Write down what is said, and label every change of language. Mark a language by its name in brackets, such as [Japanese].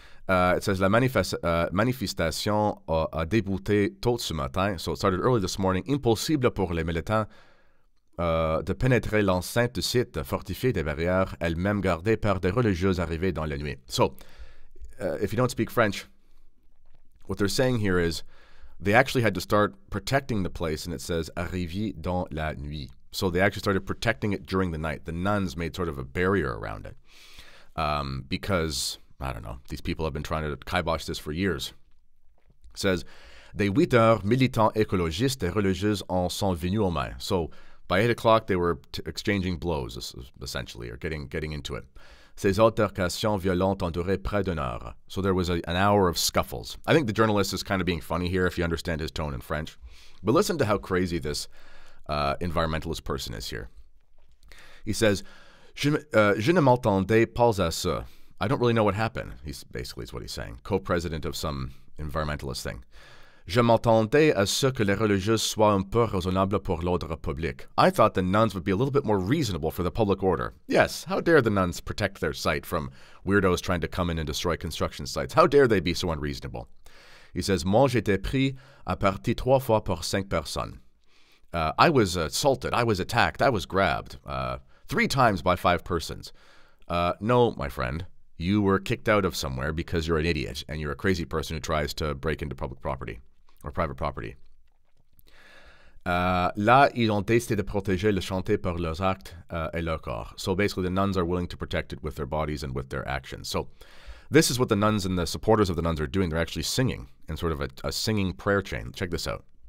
[English] It says, [French] la manifestation a débuté tôt ce matin. [English] So it started early this morning. [French] Impossible pour les militants de pénétrer l'enceinte du site fortifié des barrières, elle-même gardée par des religieuses arrivées dans la nuit. [English] So, if you don't speak French, what they're saying here is they actually had to start protecting the place, and it says [French] arrivée dans la nuit. [English] So they actually started protecting it during the night. The nuns made sort of a barrier around it because, I don't know, these people have been trying to kibosh this for years. It says, [French] des 8 heures, militants écologistes et religieuses en sont venus aux mains. [English] So, by 8 o'clock, they were exchanging blows, essentially, or getting into it. [French] Ces altercations violentes ont duré près d'une heure. [English] So there was an hour of scuffles. I think the journalist is kind of being funny here, if you understand his tone in French. But listen to how crazy this environmentalist person is here. He says, [French] je ne m'entendais pas à ça. [English] I don't really know what happened, is what he's saying. Co-president of some environmentalist thing. [French] Je m'attendais à ce que les religieuses soient un peu raisonnables pour l'ordre public. [English] I thought the nuns would be a little bit more reasonable for the public order. Yes, how dare the nuns protect their site from weirdos trying to come in and destroy construction sites? How dare they be so unreasonable? He says, [French] moi j'étais pris à partie trois fois par cinq personnes. [English] I was assaulted, I was attacked, I was grabbed three times by five persons. No, my friend. You were kicked out of somewhere because you're an idiot and you're a crazy person who tries to break into public property or private property. [French] Là, ils ont décidé de protéger le chanté par leurs actes et leur corps. [English] So basically, the nuns are willing to protect it with their bodies and with their actions. So this is what the nuns and the supporters of the nuns are doing. They're actually singing in sort of a singing prayer chain. Check this out.